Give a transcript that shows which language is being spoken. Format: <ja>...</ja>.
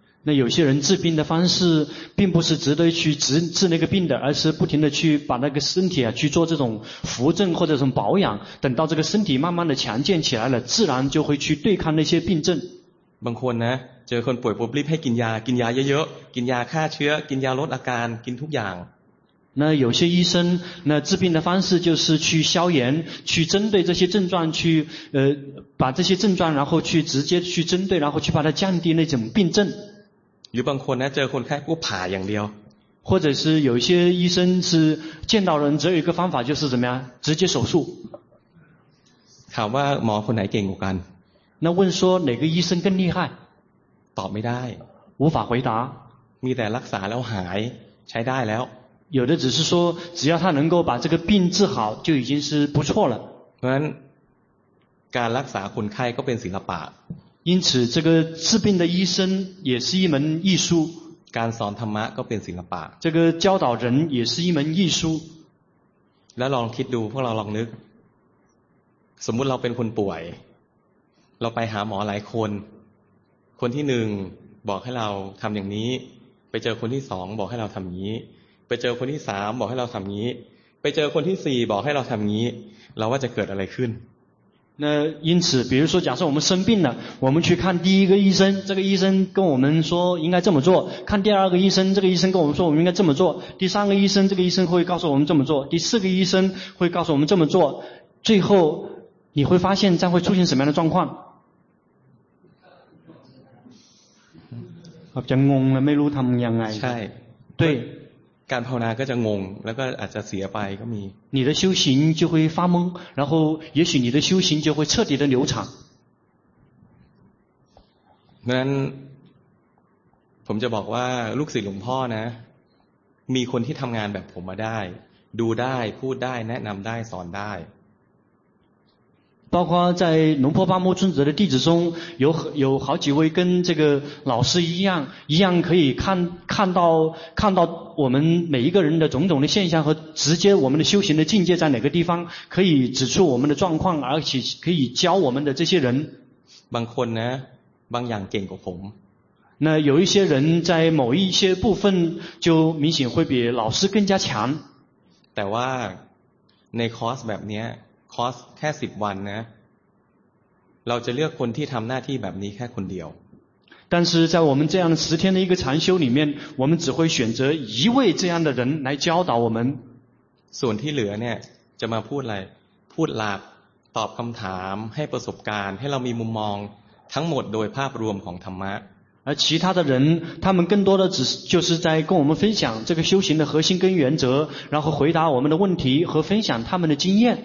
<zh>那有些人治病的方式并不是值得去治那个病的，而是不停的去把那个身体啊去做这种扶正或者什么保养，等到这个身体慢慢的强健起来了，自然就会去对抗那些病症。</zh> <th>บางคนนะเจอคนป่วยปุ๊บรีบให้กินยากินยาเยอะๆกินยาฆ่าเชื้อกินยาลดอาการกินทุกอย่าง</th> <zh>那有些医生那治病的方式就是去消炎去针对这些症状去把这些症状然后去直接去针对然后去把它降低那种病症</zh> <th>หรือบางคนนะเจอคนไข้ปุ๊บผ่าอย่างเดียว</th> <zh>或者是有些医生是见到人只有一个方法就是怎么样直接手术</zh> <th>ถามว่าหมอคนไหนเก่งกว่ากัน</th> <zh>那问说哪个医生更厉害</zh> <th>ตอบไม่ได้</th> <zh>无法回答</zh> <th>มีแต่รักษาแล้วหายใช้ได้แล้ว</th> <zh>有的只是说只要他能够把这个病治好就已经是不错了</zh> <th>เพราะฉะนั้นการรักษาคนไข้ก็เป็นศิลปะ</th> <zh>因此这个治病的医生也是一门艺术</zh> <th>การสอนธรรมะก็เป็นศิลปะ</th> <zh>这个教导人也是一门艺术</zh> <th>แล้วลองคิดดูพวกเราลองนึกสมมุติเราเป็นคนป่วยเราไปหาหมอหลายคนคนที่หนึ่งบอกให้เราทำอย่างนี้ไปเจอคนที่สองบอกให้เราทำนี้ไปเจอคนที่สามบอกให้เราทำนี้ไปเจอคนที่สี่บอกให้เราทำนี้เราว่าจะเกิดอะไรขึ้น</th> <zh>那因此比如说假设我们生病了我们去看第一个医生这个医生跟我们说应该这么做看第二个医生这个医生跟我们说我们应该这么做第三个医生这个医生会告诉我们这么做第四个医生会告诉我们这么做最后你会发现将会出现什么样的状况</zh> <th>จะงงและไม่รู้ทำยังไง ใช่ด้วย การภาวนาก็จะงงแล้วก็อาจจะเสียไปก็มี</th> <zh>你的修行就会发懵然后也许你的修行就会彻底的流产</zh> <th>งั้นผมจะบอกว่าลูกศิษย์หลวงพ่อนะมีคนที่ทำงานแบบผมมาได้ดูได้พูดได้แนะนำได้สอนได้</th> <zh>包括在龙婆巴木村子的弟子中有好几位跟这个老师一样可以看到我们每一个人的种种的现象和直接我们的修行的境界在哪个地方可以指出我们的状况而且可以教我们的这些人</zh> <th>บางคนนะบางอย่างเก่งกว่าผม</th> <zh>那有一些人在某一些部分就明显会比老师更加强</zh> <th>แต่ว่าในคอร์สแบบนี้คอสแค่10วันนะเราจะเลือกคนที่ทำหน้าที่แบบนี้แค่คนเดียว</th> <zh>但是在我们这样10天的一个禅修里面我们只会选择一位这样的人来教导我们</zh> <th>ส่วนที่เหลือเนี่ยจะมาพูดอะไรพูดหลับตอบคำถามให้ประสบการณ์ให้เรามีมุมมองทั้งหมดโดยภาพรวมของธรรมะ</th> <zh>而其他的人他们更多的只是就是在跟我们分享这个修行的核心跟原则然后回答我们的问题和分享他们的经验</zh>